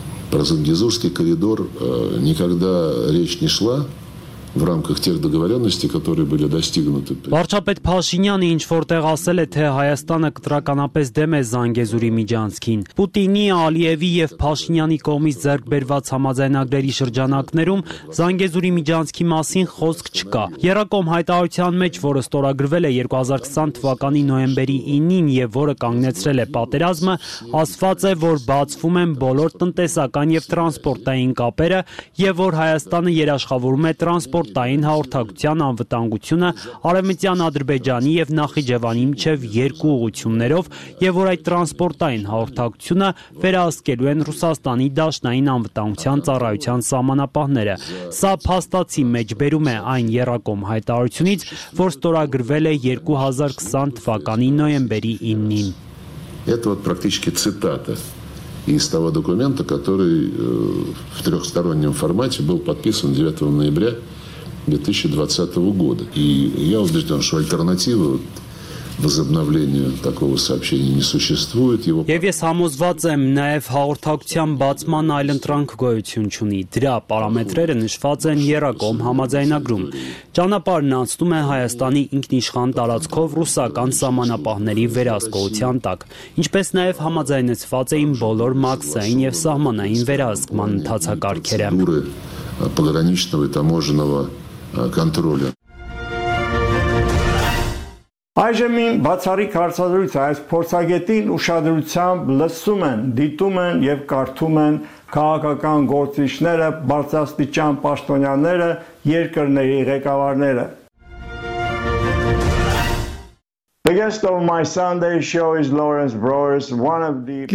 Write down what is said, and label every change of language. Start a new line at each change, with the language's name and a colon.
Russian: Про Зангезурский коридор никогда речь не шла. В рамках тех договоренностей, которые были достигнуты.
Armenian: Վարչապետ Փաշինյանը ինչ որտեղ ասել է, թե Հայաստանը կտրականապես դեմ է Զանգեզուրի միջանցքին։ Պուտինի, Ալիևի եւ Փաշինյանի կողմից ձեռք բերված համաձայնագրերի շրջանակներում Զանգեզուրի միջանցքի մասին խոսք չկա։ Եռակոմ հայտարարության մեջ, որը ստորագրվել է 2020 թվականի նոյեմբերի 9-ին եւ որը կանգնեցրել է պատերազմը, ասված է, որ բացվում են բոլոր տնտեսական եւ տրանսպորտային կապերը եւ որ Հայաստանը երաշխավորում է տրանսպորտային հաղորդակցության անվտանգությունը Արևմտյան Ադրբեջանի եւ Նախիջևանի միջև երկու ուղություններով եւ որ այդ տրանսպորտային հաղորդակցությունը վերահսկելու են Ռուսաստանի դաշնային անվտանգության ծառայության սահմանապահները։ Սա փաստացի մեջբերում է այն Եռակոմ հայտարարությունից, որ ստորագրվել է 2020 թվականի նոյեմբերի 9-ին։
Russian: Это вот практически цитата из того документа, который в трехстороннем формате был подписан 9 ноября 2020 года. И я убежден, что альтернативы возобновлению такого сообщения не существует.
Armenian: Եվ ես համոզված եմ, նաև հաղորդակցության բացման այլ ընտրանք գոյություն չունի։ Դրա պարամետրերը նշված են Եռակոմ համաձայնագրում։ Ճանապարհն անցնում է Հայաստանի ինքնիշխան տարածքով ռուսական սահմանապահների վերահսկողության տակ, ինչպես նաև համաձայնեցված էին բոլոր մաքսային եւ սահմանային վերահսկման ընթացակարգերը։
Russian: Пограничного и таможенного контроля
Armenian: Այժմ իմ բացառիկ հարցազրույցը այս փորձագետին ուշադրությամբ լսում են, դիտում են և կարդում են քաղաքական գործիչները, բարձրաստիճան պաշտոնյաները, երկրների ղեկավարները։
English: The guest of my Sunday show is Lawrence Brewers, one of the